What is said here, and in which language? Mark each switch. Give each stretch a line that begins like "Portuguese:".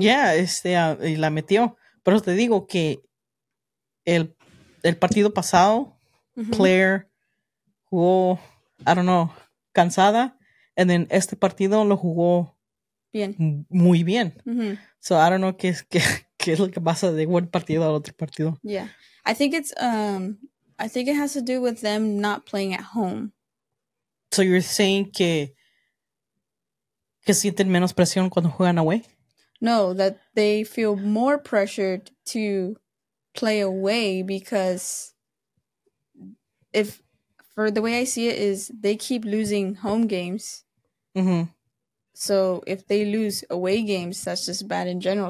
English: yeah,
Spanish: y la metió. Pero te digo que el partido pasado, Claire jugó,
English: I don't know,
Spanish: cansada. Y en este partido lo jugó Bien. muy bien.
English: So I don't know
Spanish: qué es lo que pasa de un partido al otro partido.
English: Yeah. I think it has to do with them not playing at home. So you're saying
Spanish: que sienten menos presión cuando juegan
English: away? No, that they feel more pressured to play away because if for the way I see it is they keep losing home games. So if they lose away games, that's just bad in general.